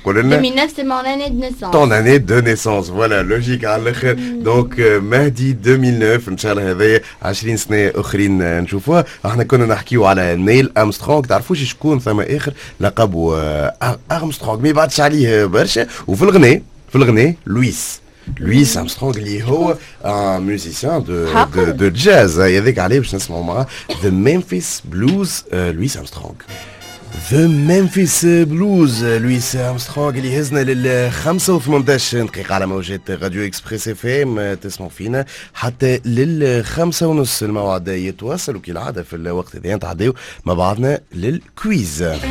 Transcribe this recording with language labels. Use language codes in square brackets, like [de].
[fr] 2009 c'est mon année de naissance. Ton année de naissance, voilà, logique. Donc [ar] Mehdi 2009, inchallah, 20 سنه اخرين نشوفوها. احنا كنا نحكيوا على نيل امسترونغ. تعرفوا شكون ثم اخر لقبوا امسترونغ مي بعدش عليه برشا. وفي الغناء لويس [fr] Louis Armstrong, Leo, un musicien de jazz. Il y avait qu'à l'époque, à ce moment-là, The Memphis Blues, Louis Armstrong. [ar] The Memphis Blues, Louis Armstrong, اللي هزنا لل 85 دقيقة على موجات راديو اكسبريس اف ام تسمع فينا حتى لل 5:30 الموعد يتواصل وكالعادة في الوقت هذا نتعداو مع بعضنا للكويز.